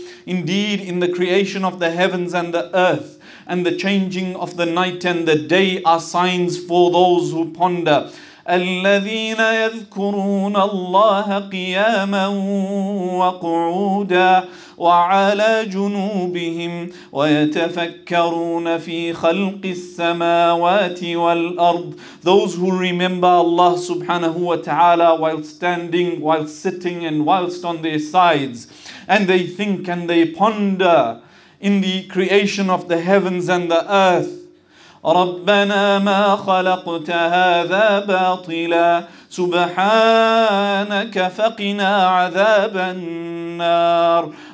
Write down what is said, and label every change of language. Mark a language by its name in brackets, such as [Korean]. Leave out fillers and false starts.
[English] Indeed, in the creation of the heavens and the earth, and the changing of the night and the day are signs for those who ponder. [Arabic] الذين يذكرون الله قياما وقعودا وعلى جنوبهم ويتفكرون في خلق السماوات والأرض. [English] Those who remember Allah subhanahu wa ta'ala while standing, while sitting, and whilst on their sides, and they think and they ponder in the creation of the heavens and the earth. [Arabic] رَبَّنَا مَا خَلَقْتَ هَذَا بَاطِلًا سُبْحَانَكَ فَقِنَا عَذَابَ النَّارِ.